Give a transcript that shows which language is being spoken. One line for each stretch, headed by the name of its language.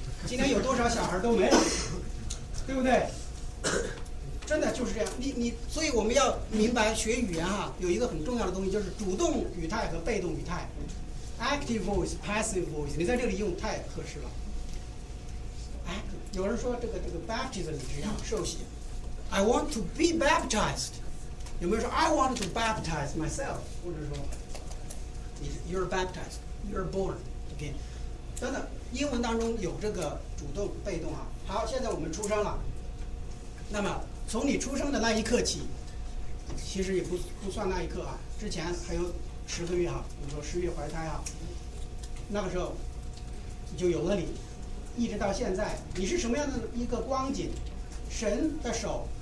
Chinese: 今天有多少小孩都没了，对不对？真的就是这样。你，所以我们要明白学语言哈，有一个很重要的东西，就是主动语态和被动语态 ，
English: active voice、passive voice。
Chinese: 你在这里用太合适了。哎，有人说这个 baptism 是要受洗 ，
English: I want to be baptized。
Chinese: 有没有说
English: I want to baptize myself？
Chinese: 或者说 ，
English: you're baptized， you're born again。
Chinese: 等等，英文当中有这个主动被动啊。好，现在我们出生了，那么从你出生的那一刻起，其实也不算那一刻啊，之前还有10个月啊，比如说10月怀胎啊，那个时候你就有了你，一直到现在你是什么样的一个光景，神的手